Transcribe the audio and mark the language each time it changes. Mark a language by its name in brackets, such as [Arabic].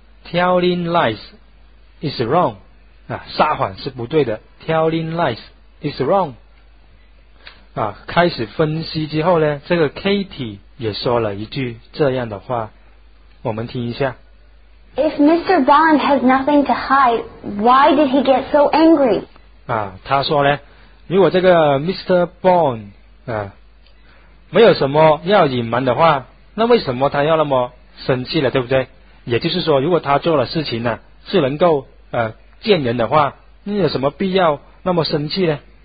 [English] Telling lies is wrong. [Chinese] 啊，撒谎是不对的。 [English] Telling lies is wrong. [Chinese] 啊，开始分析之后呢，这个 Katie 也说了一句这样的话，我们听一下。 [English] If Mr. Bond has nothing to hide, why did he get so angry? [Chinese] 啊，他说呢，如果这个 Mr. Bond 啊没有什么要隐瞒的话，那为什么他要那么生气了，对不对？也就是说，如果他做了事情呢、啊，是能够见人的话，那有什么必要那么生气呢？